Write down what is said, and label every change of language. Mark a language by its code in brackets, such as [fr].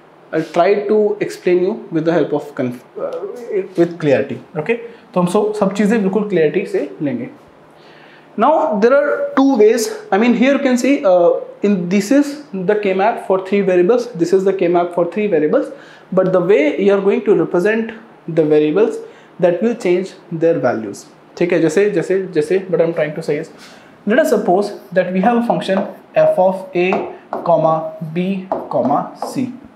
[en] I'll try to explain you with the help of with clarity. [hi] Okay, तो हम सब सब चीजें बिल्कुल clarity से लेंगे. [en] Now there are two ways. I mean, here you can see in this is the K-map for three variables. This is the K-map for three variables. But the way you are going to represent the variables, that will change their values. [hi] ठीक है, जैसे जैसे जैसे. [en] But I'm trying to say is, Let us suppose that we have a function f of a comma b comma c.